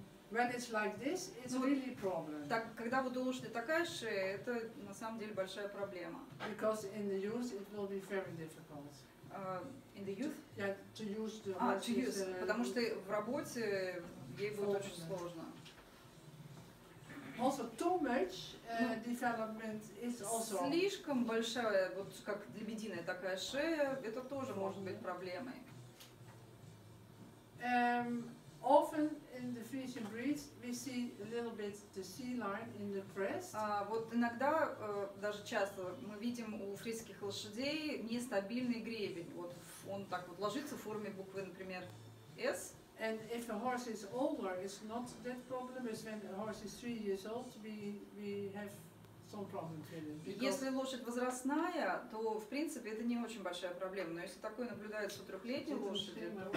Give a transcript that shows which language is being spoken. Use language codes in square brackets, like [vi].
[en] when it's like this, it's really a problem. [ru] Так, когда вот у лошади такая шея, это на самом деле большая проблема. [en] Because in the youth it will be very difficult. In the youth? Yeah, to use the. [ru] А, [en] to use. [ru] Потому что в работе ей будет очень сложно. [en] Also too much development is also. [ru] Слишком большая, вот как лебединая такая шея, это тоже может быть проблемой. [en] Often in the Friesian breeds we see a little bit the C line in the crest. [ru] Вот иногда, даже часто, мы видим у фрисских лошадей нестабильный гребень. Вот он так вот ложится в форме буквы, например, S. [en] And if a horse is older, it's not that problem. It's when a horse is 3 years old, we have some problems with it. Because [ru] если лошадь возрастная, то в принципе это не очень большая проблема. Но если такое наблюдается у трехлетней лошади,